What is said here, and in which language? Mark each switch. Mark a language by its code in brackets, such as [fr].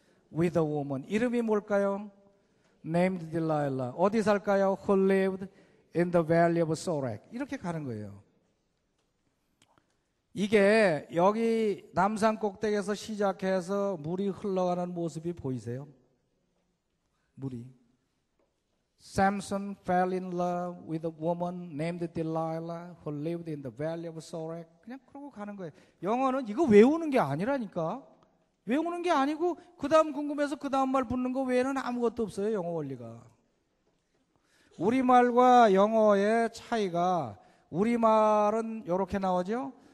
[en] With a woman. [ko] 이름이 뭘까요? [en] Named Delilah. [ko] 어디 살까요? [en] Who lived in the valley of Sorek. [ko] 이렇게 가는 거예요. 이게 여기 남산 꼭대기에서 시작해서 물이 흘러가는 모습이 보이세요? 물이. [en] Samson fell in love with a woman named Delilah who lived in the valley of Sorek. [ko] 그냥 그러고 가는 거예요. 영어는 이거 외우는 게 아니라니까. 외우는 게 아니고 그 다음 궁금해서 그 다음 말 붙는 거 외에는 아무것도 없어요. 영어 원리가. 우리말과 영어의 차이가 우리말은 이렇게 나오죠.